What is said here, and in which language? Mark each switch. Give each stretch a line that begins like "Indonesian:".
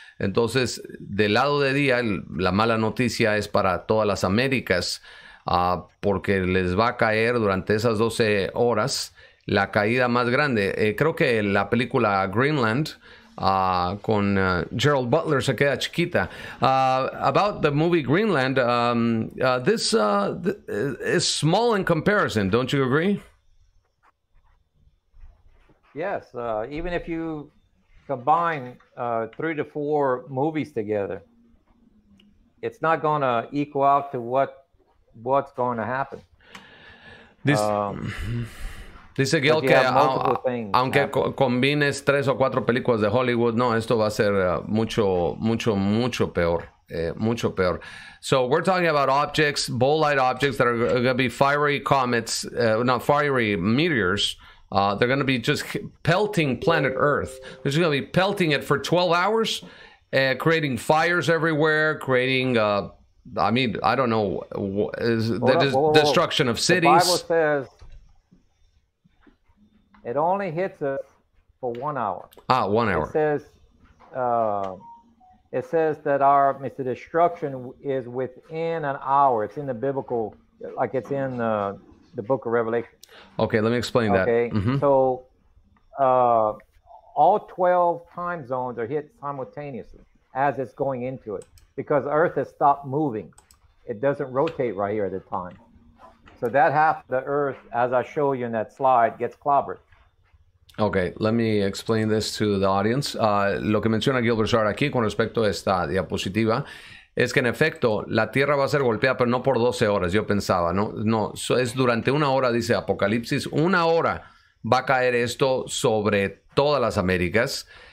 Spanish: Entonces, del lado de día, la mala noticia es para todas las Américas, porque les va a caer durante esas 12 horas la caída más grande. Creo que la película Greenland con Gerald Butler se queda chiquita.
English: About the movie Greenland, this is small in comparison, don't you agree? Yes, even if you combine 3 to 4 movies together, it's not going to equal out to what's going to happen.
Spanish: Dice Gil que aunque combines 3 o 4 películas de Hollywood, no, esto va a ser mucho peor.
English: So we're talking about objects, bolide objects that are going to be fiery comets, not fiery, meteors. They're going to be just pelting planet Earth. They're just going to be pelting it for 12 hours, creating fires everywhere, creating, destruction of cities. The Bible says it only hits us for 1 hour. Ah, 1 hour. It says that the destruction is within an hour. It's in the biblical, like it's in the book of Revelation. Okay, let me explain that. Okay, mm-hmm. So all 12 time zones are hit simultaneously as it's going into it because Earth has stopped moving. It doesn't rotate right here at the time. So that half of the Earth, as I show you in that slide, gets clobbered. Okay, let me explain this to the audience.
Spanish: Lo que menciona Gil Broussard aquí con respecto a esta diapositiva es que en efecto la Tierra va a ser golpeada, pero no por 12 horas, yo pensaba, ¿no? No, es durante 1 hora, dice Apocalipsis, 1 hora va a caer esto sobre todas las Américas.